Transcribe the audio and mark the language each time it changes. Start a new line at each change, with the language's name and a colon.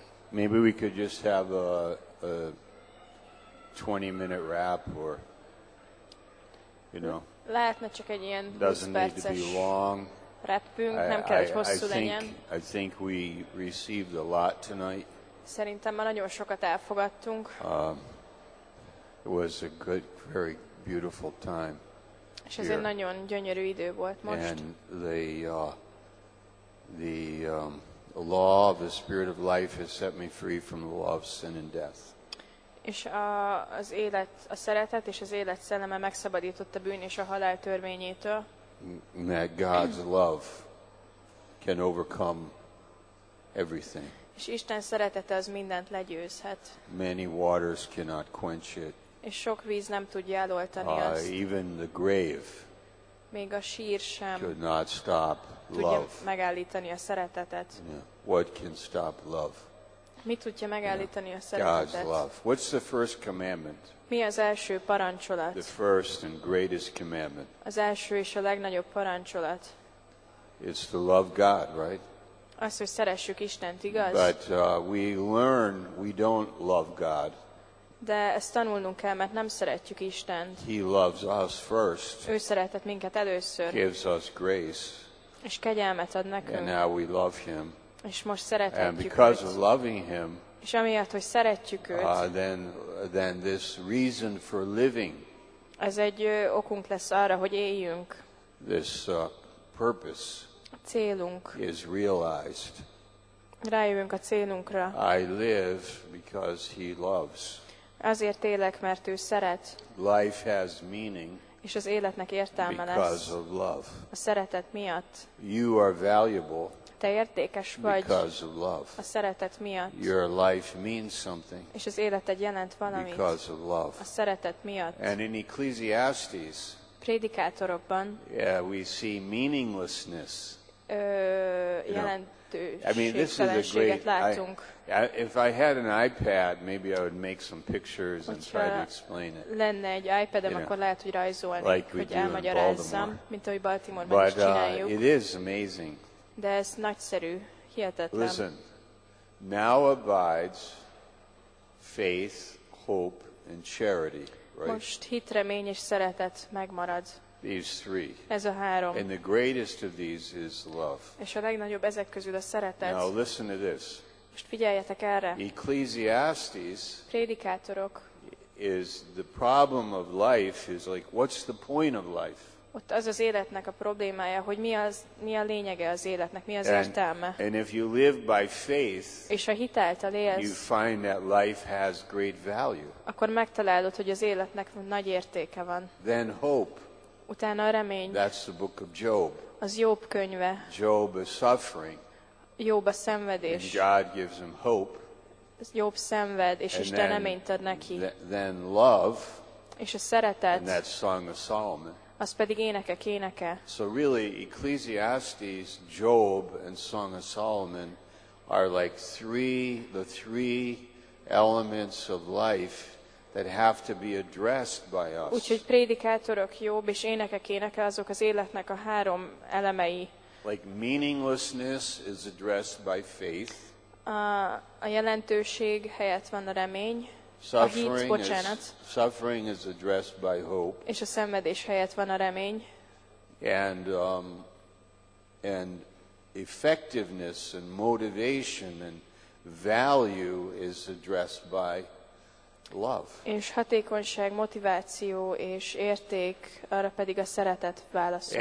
English: Maybe we could just have a 20-minute wrap, or, you know.
Hungarian: Lehetne csak egy ilyen 20 perces repülünk, nem kell, hogy hosszú legyen.
English: I think we received a lot tonight.
Hungarian: Szerintem már nagyon sokat elfogadtunk.
English: It was a good, very beautiful time.
Hungarian: És ez egy nagyon gyönyörű idő volt most.
English: And the law of the spirit of life has set me free from the law of sin and death.
Hungarian: És az élet, a szeretet és az élet szelleme megszabadított a bűn és a halál törvényétől.
English: That God's love can overcome everything.
Hungarian: És Isten szeretete az mindent legyőzhet.
English: Many waters cannot quench it.
Hungarian: És sok víz nem tudja eloltani azt.
English: Even the grave.
Hungarian: Még a sír sem.
English: Could not stop love.
Hungarian: Tudja megállítani a szeretetet.
English: Yeah. What can stop love?
Hungarian: Mit tudja megállítani a szeretetet?
English: God's love. What's the first commandment?
Hungarian: Mi az első parancsolat?
English: The first and greatest commandment.
Hungarian: Az első és a legnagyobb parancsolat.
English: It's to love God, right?
Hungarian: Azt, hogy szeressük Istent, igaz?
English: But we learn we don't love God.
Hungarian: De ezt tanulnunk kell, mert nem szeretjük Istent.
English: He loves us first.
Hungarian: Ő szeretett minket először.
English: Gives us grace.
Hungarian: És kegyelmet ad nekünk.
English: And now we love him.
Hungarian: És most szeretjük őt.
English: And because of loving him.
Hungarian: És amiatt, hogy szeretjük őt.
English: Then this reason for living.
Hungarian: Ez egy okunk lesz arra, hogy éljünk.
English: This purpose.
Hungarian: Célunk.
English: Is realized.
Hungarian: Rájövünk a célunkra.
English: I live because he loves.
Hungarian: Azért élek, mert ő szeret.
English: Life has meaning.
Hungarian: És az életnek értelme lesz.
English: Because of love.
Hungarian: A szeretet miatt.
English: You are valuable.
Hungarian: Te értékes vagy.
English: Because of love.
Hungarian: A szeretet miatt.
English: Your life means something.
Hungarian: És az életed jelent valamit.
English: Because of love.
Hungarian: A szeretet miatt.
English: And in Ecclesiastes.
Hungarian: Prédikátorokban.
English: Yeah, we see meaninglessness. I mean, this is a great. If I had an iPad, maybe I would make some pictures and try to explain it.
Hungarian: Lenne egy iPadem, akkor lehet, hogy rajzolnék,
English: like
Hungarian: hogy elmagyarázzam, mint ahogy Baltimoreban is csináljuk.
English: It is amazing.
Hungarian: De ez nagyszerű, hihetetlen.
English: Listen, now abides faith, hope, and charity. Right?
Hungarian: Most hit, remény és szeretet megmarad.
English: These three.
Hungarian: Ez a három.
English: And the greatest of these is love.
Hungarian: És a legnagyobb ezek közül a szeretet.
English: Now listen to this.
Hungarian: Most figyeljetek erre.
English: Ecclesiastes.
Hungarian: Prédikátorok.
English: Is the problem of life is like what's the point of life?
Hungarian: Ott az az életnek a problémája, hogy mi a lényege az életnek, mi az értelme.
English: And if you live by faith,
Hungarian: és ha hitáltal élsz,
English: you find that life has great value.
Hungarian: Akkor megtalálod, hogy az életnek nagy értéke van.
English: Then hope.
Hungarian: Utána a remény.
English: That's the book of Job.
Hungarian: Az Jób könyve.
English: Job is suffering.
Hungarian: Jób a szenvedés.
English: And God gives him hope.
Hungarian: Jób szenved, és Isten reményt ad neki.
English: Then love.
Hungarian: És a szeretet.
English: And that Song of Solomon.
Hungarian: Az pedig énekek, éneke.
English: So really, Ecclesiastes, Job, and Song of Solomon are like the three elements of life that have to be addressed by us.
Hungarian: Úgyhogy prédikátorok, Jób és énekek, éneke azok az életnek a három elemei.
English: Like meaninglessness is addressed by faith.
Hungarian: A jelentőség helyett van a remény.
English: Suffering,
Hungarian: a hit, bocsánat.
English: Suffering is addressed by hope.
Hungarian: És a szenvedés helyett van a remény.
English: And effectiveness and motivation and value is addressed by love.
Hungarian: És hatékonyság, motiváció és érték, arra pedig a szeretet válaszol.